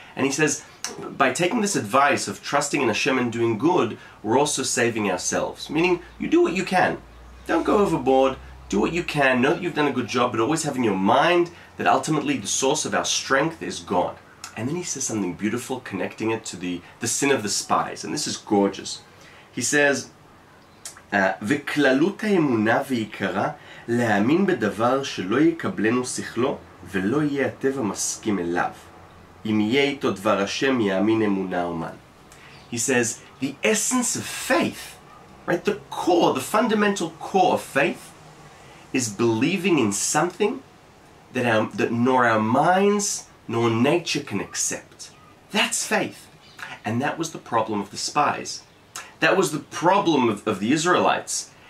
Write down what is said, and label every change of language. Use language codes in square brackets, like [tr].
[en] And he says, by taking this advice of trusting in Hashem and doing good, we're also saving ourselves. Meaning, you do what you can. Don't go overboard. Do what you can. Know that you've done a good job, but always have in your mind that ultimately the source of our strength is God. And then he says something beautiful, connecting it to the sin of the spies. And this is gorgeous. [he] He says, וכללות האמונה ועיקרה להאמין בדבר שלא יקבלנו שכלו ולא יהיה הטבע מסכים אליו. אם יהיה איתו דבר השם, יאמין אמונה אומן. [en] He says, the essence of faith, right? The core, the fundamental core of faith is believing in something that nor our minds nor nature can accept. That's faith. And that was the problem of the spies. That was the problem of the Israelites.